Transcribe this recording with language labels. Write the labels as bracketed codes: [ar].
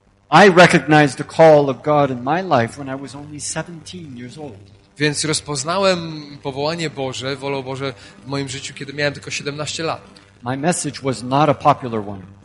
[en] I recognized the call of God in my life when I was only 17 years old. [pl] Więc rozpoznałem powołanie Boże, wolę Boże w moim życiu, kiedy miałem tylko 17 lat. [en] My message was not a popular one.